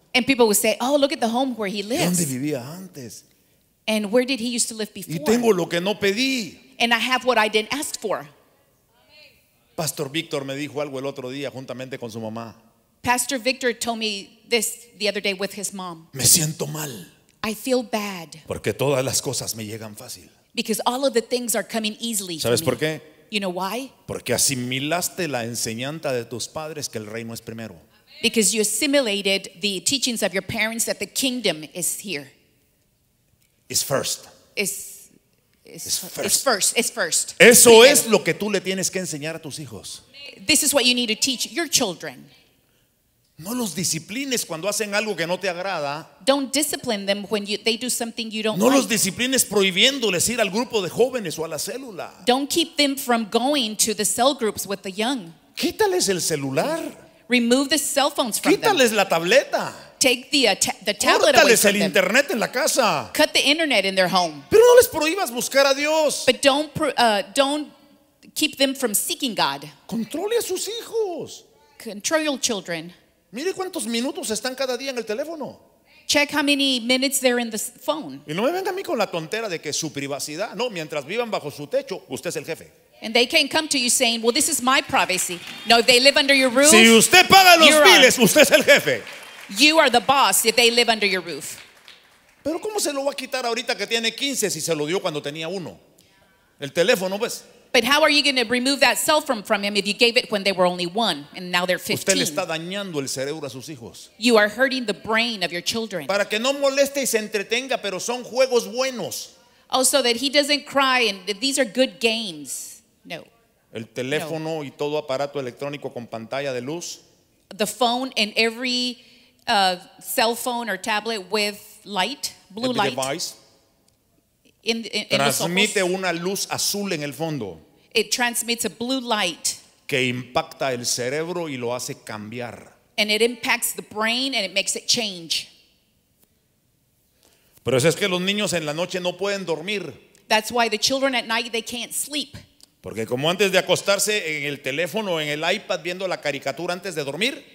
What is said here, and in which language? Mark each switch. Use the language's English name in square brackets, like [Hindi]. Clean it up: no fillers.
[English] And people would say, oh, look at the home where he lives. [Spanish] ¿Dónde vivía antes? [English] And where did he used to live before? [Spanish] Y tengo lo que no pedí. [English] And I have what I didn't ask for. [Spanish] Pastor Víctor me dijo algo el otro día juntamente con su mamá. [English] Pastor Victor told me this the other day with his mom. [Spanish] Me siento mal. [English] I feel bad. [Spanish] Porque todas las cosas me llegan fácil. [English] Because all of the things are coming easily to me. [Spanish] ¿Sabes por qué? [English] You know why? [Spanish] Porque asimilaste la enseñanza de tus padres que el reino es primero. [English] Because you assimilated the teachings of your parents that the kingdom is here. It's first. It's first. [Spanish] Eso es lo que tú le tienes que enseñar a tus hijos. [English] This is what you need to teach your children. [Spanish] No los disciplines cuando hacen algo que no te agrada. [English] Don't discipline them when they do something you don't [Spanish] no [English] like. [Spanish] No los disciplines prohibiéndoles ir al grupo de jóvenes o a la célula. [English] Don't keep them from going to the cell groups with the young. [Spanish] Quítales el celular. [English] Remove the cell phones from [Spanish] quítales Quítales la tableta. [English] Take the tablet away from them. [Spanish] Córtales el internet en la casa. [English] Cut the internet in their home. [Spanish] Pero no les prohíbas buscar a Dios. [English] But don't keep them from seeking God. [Spanish] Controle a sus hijos. [English] Control your children. [Spanish] Mire cuántos minutos están cada día en el teléfono. [English] Check how many minutes they're in the phone. [Spanish] Y no me venga a mí con la tontera de que su privacidad. No, mientras vivan bajo su techo, usted es el jefe. [English] And they can come to you saying, well, this is my privacy. No, if they live under your roof. [Spanish] Si usted paga los biles, usted es el jefe. [English] You are the boss if they live under your roof. [Spanish] Pero ¿cómo se lo va a quitar ahorita que tiene 15 si se lo dio cuando tenía uno? El teléfono, pues. [English] But how are you going to remove that cell phone from him if you gave it when they were only one and now they're 15? [Spanish] Usted le está dañando el cerebro a sus hijos. [English] You are hurting the brain of your children. [Spanish] Para que no moleste y se entretenga, pero son juegos buenos. [English] Oh, so that he doesn't cry and these are good games. [Spanish] No. El teléfono no. Y todo aparato electrónico con pantalla de luz. [English] The phone and every cell phone or tablet with light, blue every light. Device. In [Spanish] transmite una luz azul en el fondo. [English] It transmits a blue light [Spanish] que impacta el cerebro y lo hace cambiar. [English] And it impacts the brain and it makes it change. [Spanish] Pero es que los niños en la noche no pueden dormir. [English] That's why the children at night they can't sleep. [Spanish] Porque como antes de acostarse en el teléfono o en el iPad viendo la caricatura antes de dormir.